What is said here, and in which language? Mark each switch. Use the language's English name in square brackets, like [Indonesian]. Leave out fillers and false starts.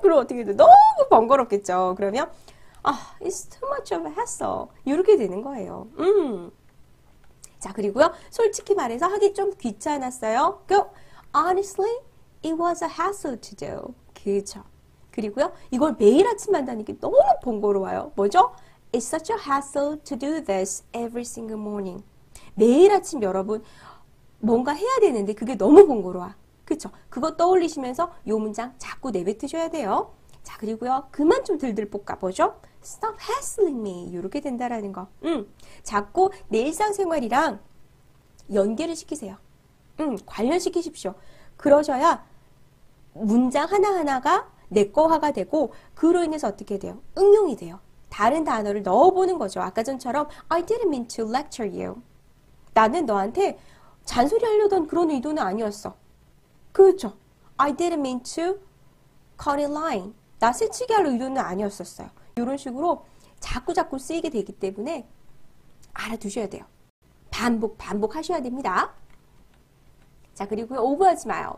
[Korean] 그럼 어떻게 돼? 너무 번거롭겠죠. 그러면 [English] It's too much of a hassle. [Korean] 이렇게 되는 거예요. 자, 그리고요. 솔직히 말해서 하기 좀 귀찮았어요. [English] Go. Honestly, it was a hassle to do. [Korean] 그쵸. 그리고요. 이걸 매일 아침 한다는 게 너무 번거로워요. 뭐죠? [English] It's such a hassle to do this every single morning. [Korean] 매일 아침 여러분, 뭔가 해야 되는데 그게 너무 번거로워. 그쵸? 그거 떠올리시면서 요 문장 자꾸 내뱉으셔야 돼요. 자, 그리고요. 그만 좀 들들 볶아 보죠. [English] Stop hassling me. [Korean] 요렇게 된다라는 거. 자꾸 내 일상생활이랑 연계를 시키세요. 관련시키십시오. 그러셔야 문장 하나하나가 내 거화가 되고, 그로 인해서 어떻게 돼요? 응용이 돼요. 다른 단어를 넣어보는 거죠. 아까 전처럼, [English] I didn't mean to lecture you. [Korean] 나는 너한테 잔소리하려던 그런 의도는 아니었어. 그렇죠. [English] I didn't mean to cut in line. [Korean] 나 새치기 할 의도는 아니었었어요. 이런 식으로 자꾸자꾸 쓰이게 되기 때문에 알아두셔야 돼요. 반복, 반복하셔야 됩니다. 자, 그리고 오버하지 마요.